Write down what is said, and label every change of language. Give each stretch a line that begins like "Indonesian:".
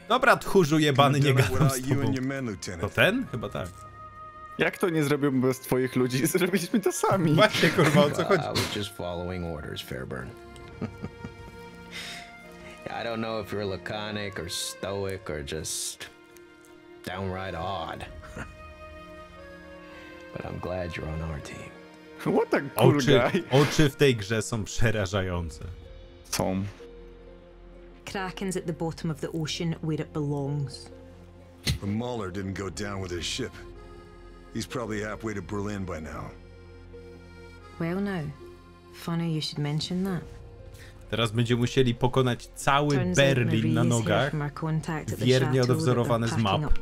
Polish: Dobra, tchórzu jebany, nie gadam z tobą. To ten? Chyba tak. Jak to nie zrobiłbym bez twoich ludzi? Zrobiliśmy to sami. Właśnie, kurwa, o co chodzi?
English: I was just following orders, Fairburn. I don't know if you're laconic or stoic or just downright odd. But I'm glad you're on our team. What the cool
Polish: oczy,
English: guy.
Polish: Oczy w tej grze są przerażające.
English: Tom. Kraken's at the bottom of the ocean where it belongs. But Mahler didn't go down with his ship. He's probably halfway to Berlin by now. Well now, funny you should mention that.
Polish: Teraz będziemy musieli pokonać cały Berlin na nogach, wiernie odwzorowane z map.